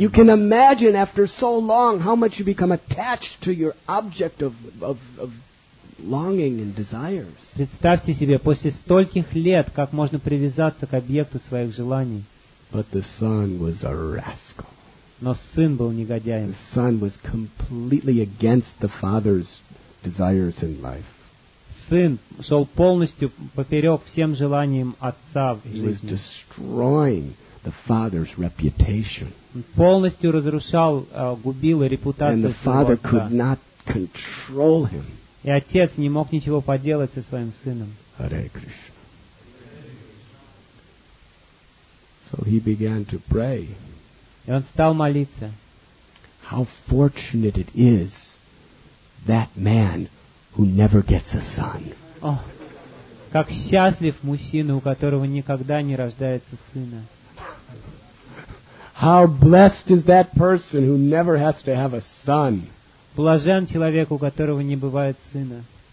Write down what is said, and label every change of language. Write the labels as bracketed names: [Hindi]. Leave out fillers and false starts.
[English] You can imagine after so long how much you become attached to your object of longing and desires. [Russian] Представьте себе, после стольких лет, как можно привязаться к объекту своих желаний. [English] But the son was a rascal. [Russian] Но сын был негодяем. [English] The son was completely against the father's desires in life. [Russian] Сын шел полностью поперек всем желаниям отца в жизни. [English] He was destroying the father's reputation. [Russian] Полностью разрушал, губил репутацию. [English] And the father could not control him. [Russian] И отец не мог ничего поделать со своим сыном. [Sanskrit] Hare Krishna. [English] So he began to pray. [Russian] И он стал молиться. [English] How fortunate it is that man who never gets a son. [Russian] Oh, как счастлив мужчина, у которого никогда не рождается сына. [English] How blessed is that person who never has to have a son. [Russian] Блажен человек, у которого не бывает сына.